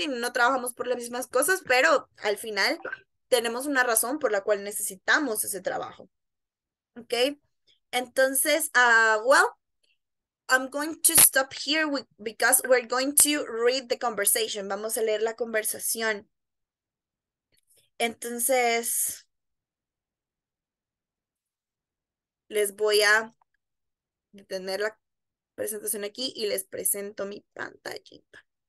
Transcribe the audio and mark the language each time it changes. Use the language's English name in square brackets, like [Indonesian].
[Spanish] Y no trabajamos por las mismas cosas, pero al final tenemos una razón por la cual necesitamos ese trabajo. [English] Okay? Entonces, well, I'm going to stop here because we're going to read the conversation. [Spanish] Vamos a leer la conversación. Entonces, les voy a detener la presentación aquí y les presento mi pantallita.